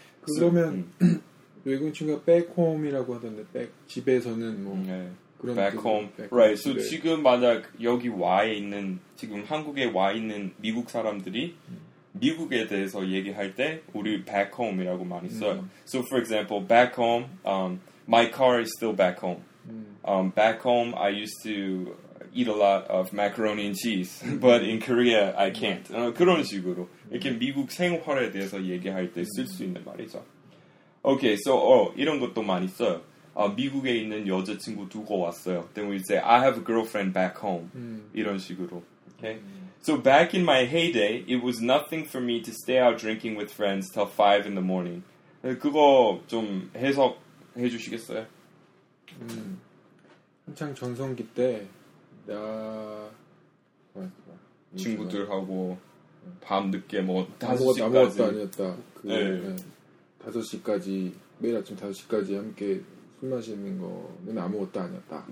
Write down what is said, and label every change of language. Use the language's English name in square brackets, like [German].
[Korean] 그러면 외국인 친구가 back home이라고 하던데 back 집에서는 뭐 네. 그런 back home. [English] Back home. Right. So [Korean] 네. 지금 만약 여기 와 있는 지금 한국에 와 있는 미국 사람들이 미국에 대해서 얘기할 때 우리 back home이라고 많이 써요. [English] So for example, back home, my car is still back home. Back home, I used to eat a lot of macaroni and cheese, but in Korea, I can't. [Korean] 그런 식으로 이렇게 미국 생활에 대해서 얘기할 때 쓸 수 있는 말이죠. [English] Okay, so [Korean] 이런 것도 많이 써요. 미국에 있는 여자친구 두고 왔어요. [English] Then we say, I have a girlfriend back home. [Korean] 이런 식으로. Okay. [English] So back in my heyday, it was nothing for me to stay out drinking with friends till 5 in the morning. [Korean] 그거 좀 해석해 주시겠어요? 한창 전성기 때 나 친구들하고 밤 늦게 뭐 5시까지 아무것도 아니었다. 그 네. 네. 5시까지 매일 아침 5시까지 함께 술 마시는 거는 아무것도 아니었다.